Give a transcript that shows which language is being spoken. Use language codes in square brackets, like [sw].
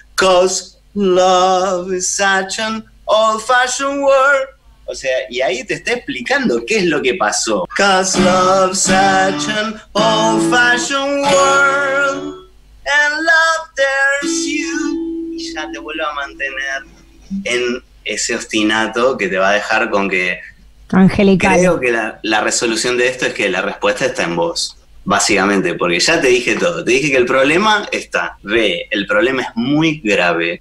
[en] 'Cause love is such an old-fashioned word. [es] O sea, y ahí te está explicando qué es lo que pasó. [en] 'Cause love's such an old-fashioned world, and love dares you. [es] Y ya te vuelve a mantener en ese ostinato que te va a dejar con que... Angelical. Creo que la resolución de esto es que la respuesta está en vos, básicamente, porque ya te dije todo. Te dije que el problema está. B, el problema es muy grave.